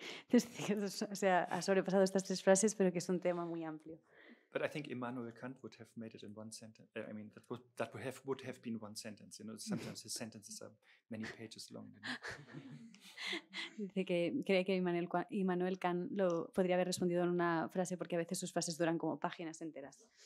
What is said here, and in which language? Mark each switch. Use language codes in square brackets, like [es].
[es] Ha sobrepasado estas tres frases, pero que es un tema muy amplio. [en] But I think Immanuel Kant would have made it in one sentence. I mean, that would have been one sentence. You know, sometimes his sentences are many pages long. [es] Dice que cree que Immanuel Kant lo podría haber respondido en una frase, porque a veces sus frases duran como páginas enteras.